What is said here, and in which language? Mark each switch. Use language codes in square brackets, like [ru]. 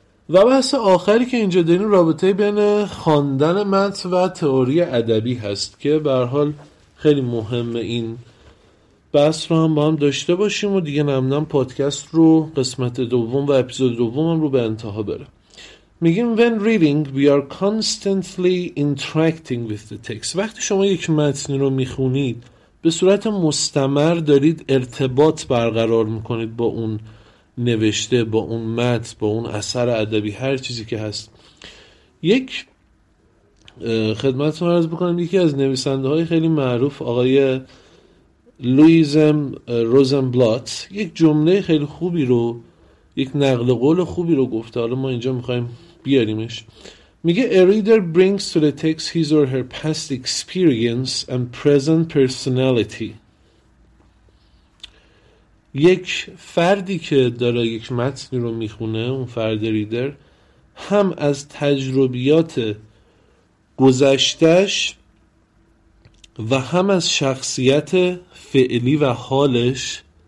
[fa] و بحث آخری که اینجا داریم رابطه بین خواندن متن و تئوری ادبی هست که به هر حال خیلی مهمه. این بحث رو هم با هم داشته باشیم و دیگه نمیدونم پادکست رو قسمت دوم و اپیزود دوم هم رو به انتها بره. میگیم [en] when reading we are constantly interacting with the text. [fa] وقتی شما یک متن رو میخونید به صورت مستمر دارید ارتباط برقرار میکنید با اون نوشته، با اون متن، با اون اثر ادبی، هر چیزی که هست. یک خدمتتون عرض بکنم، یکی از نویسنده های خیلی معروف آقای لویزم روزنبلات یک جمله خیلی خوبی رو، یک نقل قول خوبی رو گفته، حالا ما اینجا میخواییم بیاریمش. میگه [en] A reader brings to the text his or her past experience and present personality. [fa] یک فردی که داره یک متنی رو میخونه، اون فرد ریدر، هم از تجربیات گذشتش و هم از شخصیت فعلی و حالش،